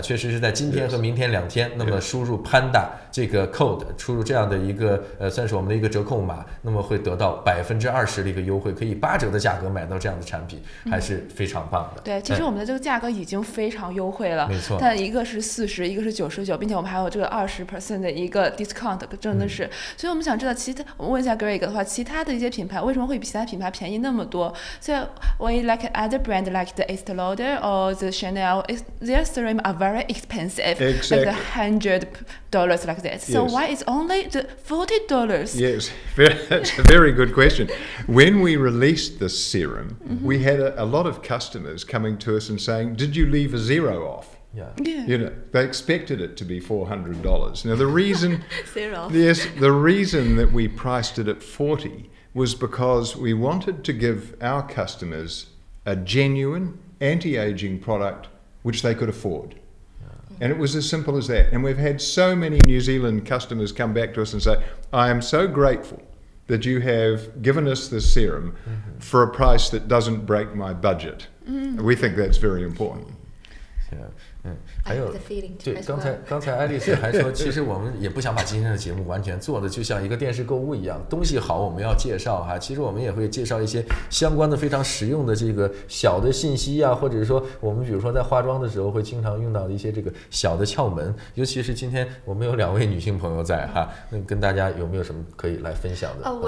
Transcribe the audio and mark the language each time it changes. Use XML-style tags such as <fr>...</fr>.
<zh>确实是在今天和明天两天。Yes. 那么输入 Panda 这个 code， 输入这样的一个算是我们的一个折扣码，那么会得到20%的一个优惠，可以8折的价格买到这样的产品，还是非常棒的。对，其实我们的这个价格已经非常优惠了。没错。但一个是40，一个是99，并且我们还有这个20% 的一个 discount， 真的是。所以我们想知道，其他我问一下 Greg 的话，其他的一些品牌为什么会比其他品牌便宜呢？</zh> <en>So we like other brand like the Estee Lauder or the Chanel, their serum are very expensive, exactly. Like $100 like this. So yes. Why is only the $40? Yes, that's a very good question. When we released the serum, we had a lot of customers coming to us and saying, did you leave a zero off? Yeah. You know, they expected it to be $400. Now the reason, zero. Yes, the reason that we priced it at $40was because we wanted to give our customers a genuine anti-aging product which they could afford. And it was as simple as that. And we've had so many New Zealand customers come back to us and say, I am so grateful that you have given us this serum for a price that doesn't break my budget. Mm-hmm. We think that's very important. Yeah.</en> <zh>还有</zh> <en>feeling,</en> <zh>对刚才爱丽丝还说其实我们也不想把今天的节目完全做的就像一个电视购物一样，东西好我们要介绍哈，其实我们也会介绍一些相关的非常实用的这个小的信息啊，或者说我们比如说在化妆的时候会经常用到的一些这个小的窍门，尤其是今天我们有两位女性朋友在哈，那跟大家有没有什么可以来分享的</zh>